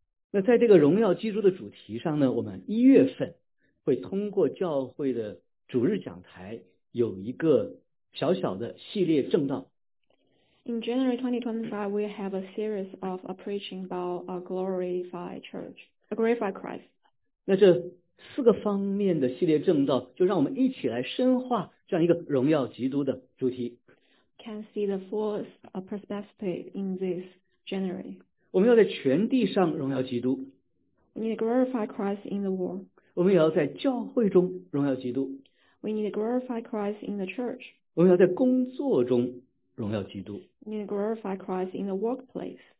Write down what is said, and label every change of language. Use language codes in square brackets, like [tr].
[zh] 那在这个荣耀基督的主题上呢，我们一月份会通过教会的主日讲台有一个小小的系列正道。 [en] In January 2025, we have a series of a preaching about a glorify church, a glorify Christ。 [zh] 那这四个方面的系列正道，就让我们一起来深化这样一个荣耀基督的主题。 [en] Can see the four perspectives in this January。 [zh] 我们要在全地上荣耀基督。 [en] We need to glorify Christ in the world。 [zh] 我们也要在教会中荣耀基督。 [en] We need to glorify Christ in the church。 [zh] 我们要在工作中荣耀基督。 [en] We need to glorify Christ in the workplace。